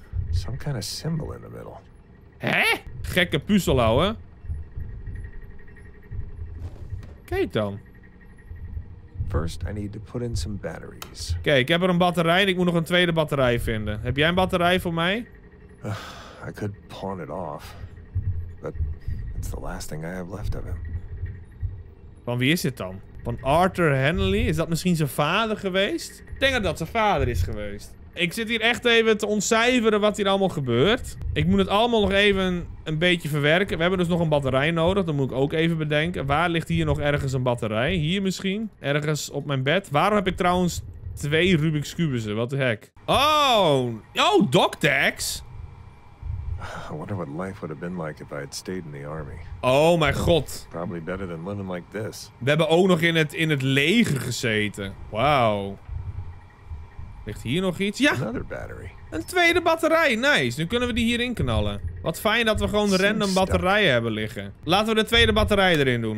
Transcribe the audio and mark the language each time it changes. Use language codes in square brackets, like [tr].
[en] Some kind of symbol in the middle. [nl] Hè? Gekke puzzel, ouwe. Kijk dan. [en] First, I need to put in some batteries. [nl] Okay, ik heb er een batterij en ik moet nog een tweede batterij vinden. Heb jij een batterij voor mij? [en] I could pawn it off. But it's the last thing I have left of him. [nl] Van wie is dit dan? Van Arthur Henley? Is dat misschien zijn vader geweest? Ik denk dat zijn vader is geweest. Ik zit hier echt even te ontcijferen wat hier allemaal gebeurt. Ik moet het allemaal nog even een beetje verwerken. We hebben dus nog een batterij nodig. Dat moet ik ook even bedenken. Waar ligt hier nog ergens een batterij? Hier misschien? Ergens op mijn bed? Waarom heb ik trouwens 2 Rubik's Cubes, wat de heck. Oh! Oh, Doc Dex! [en] I wonder what life would have been like if I had stayed in the army. [nl] Oh mijn god. [en] Probably better than living like this. [nl] We hebben ook nog in het leger gezeten. Wauw. Ligt hier nog iets? Ja! [en] Another battery. [nl] Een tweede batterij, nice. Nu kunnen we die hierin knallen. Wat fijn dat we gewoon random batterijen hebben liggen. Laten we de tweede batterij erin doen.